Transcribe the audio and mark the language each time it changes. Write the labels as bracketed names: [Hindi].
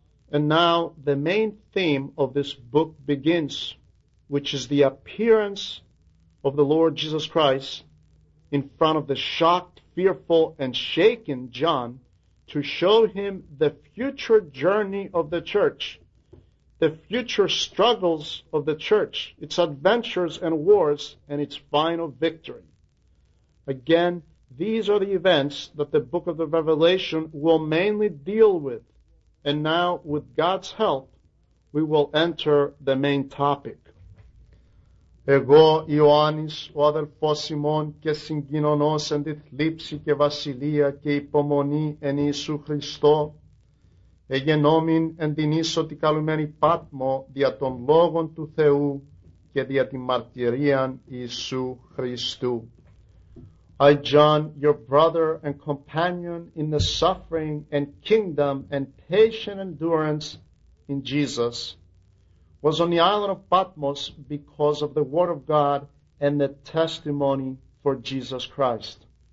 [English] And now the main theme of this book begins, which is the appearance of the Lord Jesus Christ in front of the shocked, fearful, and shaken John, to show him the future journey of the church, the future struggles of the church, its adventures and wars, and its final victory. Again, these are the events that the book of the Revelation will mainly deal with. And now, with God's help, we will enter the main topic. [Greek] Εγώ, Ιωάννης, ο αδελφός ημών και συγκοινωνός εν τη θλίψη και βασιλεία και υπομονή εν Ιησού Χριστώ, εγενόμην εν την ίσωτη καλουμένη Πάτμο δια των λόγων του Θεού και δια τη μαρτυρίαν Ιησού Χριστού. [English] I, John, your brother and companion in the suffering and kingdom and patient endurance in Jesus, was on the island of Patmos because of the word of God and the testimony for Jesus Christ.